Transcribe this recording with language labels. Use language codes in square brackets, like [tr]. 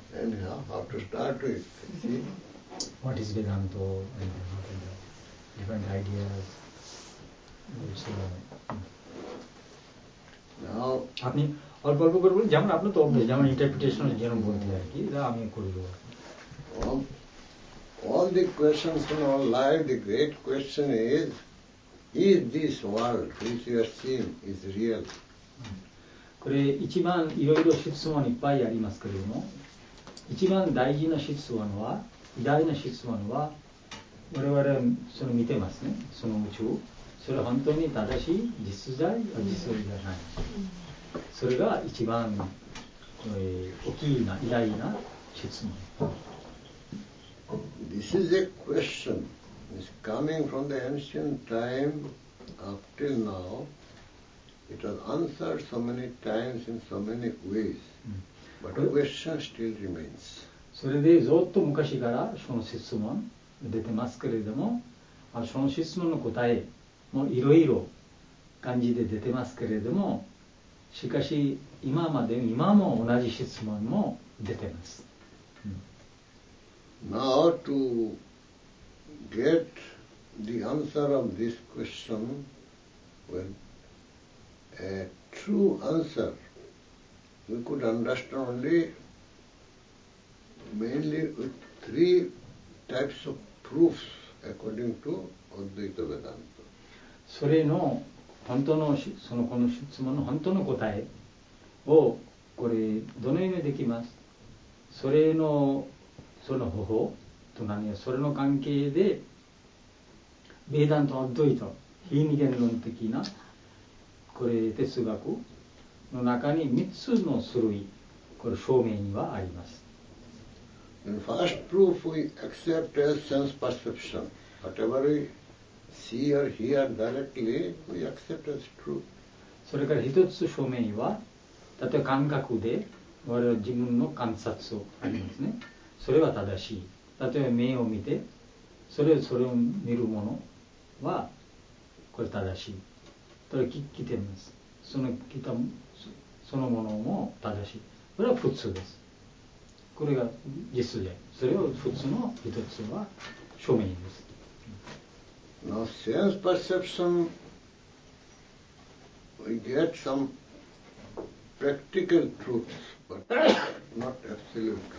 [en] Anyhow, how to start with, see? What is Vedanta and what are the different ideas? Which, Now, [bn] আপনি অল্প অল্প করে বলুন, যেমন আপনি তো অল্প যেমন ইন্টারপ্রিটেশন যেরকম বলতে আর কি, যা আমি করে দেবো। [en] All the questions in our life, the great question is this world which you are seeing is real? [ja] これ一番いろいろ質問いっぱいありますけれども、一番大事な質問は、偉大な質問は、我々はその見てますね、その宇宙。それは本当に正しい実在は実在ではない。それが一番大きな偉大な質問。 [en] This is a question. It's coming from the ancient time up till now. It was answered so many times in so many ways, but the question still remains. [ja] それでずっと昔からその質問出てますけれども、その質問の答えもいろいろ感じで出てますけれども、しかし今まで今も同じ質問も出てます。 [en] Now to get the answer of this question, well,A true answer, we could understand only mainly with three types of proofs according to Advaita Vedanta. [ja] それの本当のそのこの質問の本当の答えをこれどのようにできます。それのその方法と何やそれの関係で、ベーダントアドイト非二元論的な。これ哲学の中に3つの種類、これ証明にはあります。 [en] In first proof we accept as sense perception. Whatever we see or hear directly, we accept as true. [ja] それから一つ証明は、例えば感覚で我々自分の観察をありますね。それは正しい。例えば目を見て、それを見るものはこれ正しい。それ聞いてます。その聞いたそのものも正しい。これは普通です。これが実で、それを普通の一つは証明です。 [en] Now, sense perception, we get some practical truths, but not absolute truths.